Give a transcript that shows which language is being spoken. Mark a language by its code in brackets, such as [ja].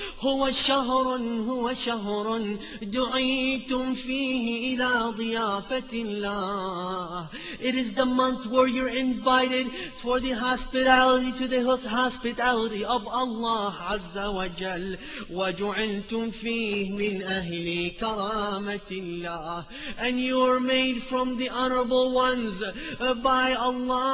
[ar] هو شهر, هو شهر دعيتم فيه إلى ضيافة الله. [en] It is the month where you're invited for the hospitality, to the hospitality of Allah عز وجل. [ar] وجعلتم فيه من أهل كرامة الله. [en] And you are made from the honorable ones by Allah.